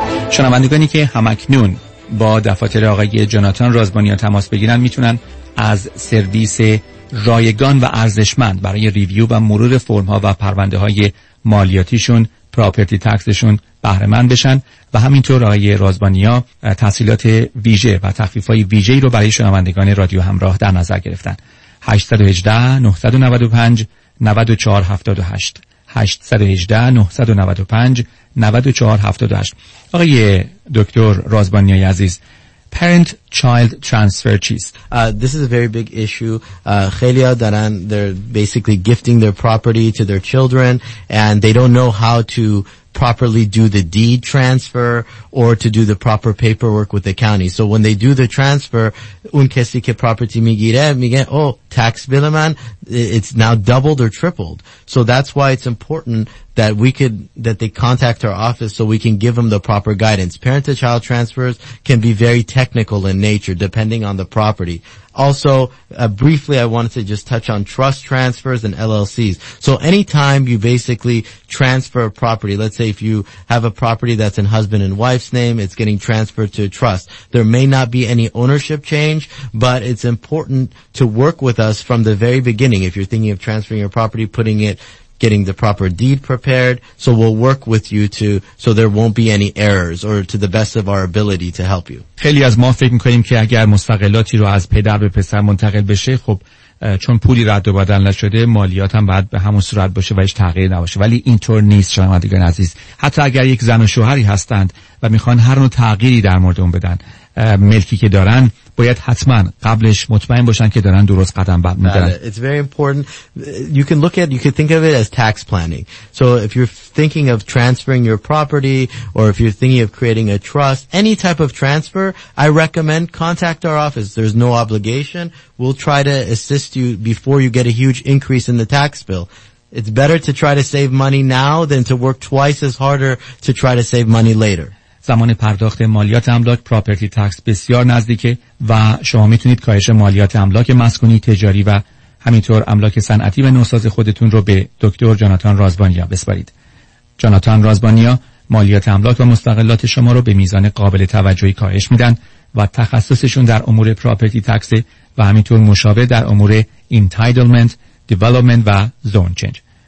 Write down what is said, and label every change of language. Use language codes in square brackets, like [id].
[fa] شنوندگانی که همکنون با دفاتر آقای جاناتان رازبانیان تماس بگیرن میتونن از سرویس رایگان و ارزشمند برای ریویو و مرور فرم ها و پرونده های مالیاتیشون، پراپرتی تکسشون بهره مند بشن و همینطور آقای رازبانیا تسهیلات ویژه و تخفیف های ویژه‌ای رو برای شنوندگان رادیو همراه در نظر گرفتن. 818-995-9478 818-995-9478. آقای دکتر رازبانیای عزیز، [en] parent child transfer [fa] چیست؟ [en] This is a very big issue. [fa] خیلی ها دارن [en] they're basically gifting their property to their children and they don't know how to properly do the deed transfer or to do the proper paperwork with the county. So when they do the transfer, [fa] اون کسی که property میگیره میگه [en] oh, tax bill man, it's now doubled or tripled. So that's why it's important that we could that they contact our office so we can give them the proper guidance. Parent to child transfers can be very technical in nature depending on the property. Also, briefly, I wanted to just touch on trust transfers and LLCs. So anytime you basically transfer a property, let's say if you have a property that's in husband and wife's name, it's getting transferred to a trust. There may not be any ownership change, but it's important to work with us from the very beginning. If you're thinking of transferring your property, putting it, getting the proper deed prepared, so we'll work with you to so there won't be any errors or to the best of our ability to help you. [fa] خیلی از ما فکر می‌کنیم که اگر مستغلاتی رو از پدر به پسر منتقل بشه، خب چون پولی رد و بدل نشده، مالیات هم باید به همون صورت باشه و هیچ تغییری نباشه، ولی اینطور نیست شنوندگان عزیز. حتی اگر یک زن و شوهری هستند و میخوان هر نوع تغییری در مورد اون بدن، ملکی که دارن، باید حتما قبلش مطمئن باشن که دارن درست قدم میدارن. [en] It's very important. You can look at, you can think of it as tax planning. So if you're thinking of transferring your property or if you're thinking of creating a trust, any type of transfer, I recommend contact our office. There's no obligation. We'll try to assist you before you get a huge increase in the tax bill. It's better to try to save money now than to work twice as harder to try to save money later. [fa] زمان پرداخت مالیات املاک پراپرتی تکس بسیار نزدیکه و شما میتونید کاهش مالیات املاک مسکونی، تجاری و همینطور املاک صنعتی و نوساز خودتون رو به دکتر جاناتان رازبانیا بسپارید. جاناتان رازبانیا مالیات املاک و مستغلات شما رو به میزان قابل توجهی کاهش میدن و تخصصشون در امور پراپرتی تکس و همینطور مشابه در امور انتایتلمنت، دیولپمنت و زون چنج.